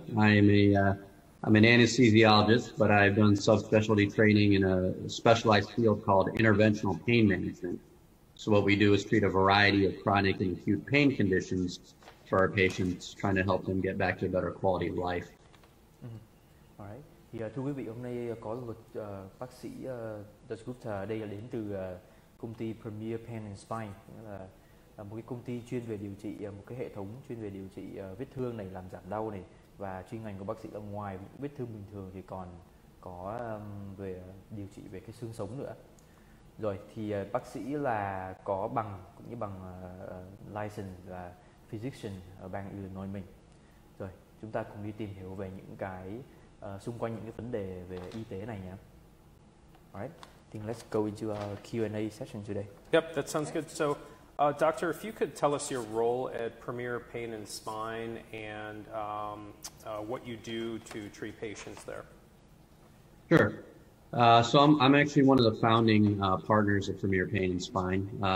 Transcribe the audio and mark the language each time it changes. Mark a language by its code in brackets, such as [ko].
[en] I'm an anesthesiologist, but I've done subspecialty training in a specialized field called interventional pain management. So what we do is treat a variety of chronic and acute pain conditions for our patients, trying to help them get back to a better quality of life. Mm-hmm. All right. [vi] Yeah, thưa quý vị, hôm nay có một bác sĩ Dasgupta đây là đến từ công ty Premier Pain and Spine, nghĩa là một cái công ty chuyên về điều trị một cái hệ thống chuyên về điều trị vết thương này, làm giảm đau này. Và chuyên ngành của bác sĩ là ngoài vết thương bình thường thì còn có về điều trị về cái xương sống nữa. Rồi thì bác sĩ là có bằng cũng như bằng license là physician ở bang Illinois mình. Rồi chúng ta cùng đi tìm hiểu về những cái xung quanh những cái vấn đề về y tế này nhé. [en] Alright, I think let's go into our Q&A session today. Yep, that sounds good. So doctor, if you could tell us your role at Premier Pain and Spine and what you do to treat patients there. Sure. So I'm actually one of the founding partners of Premier Pain and Spine.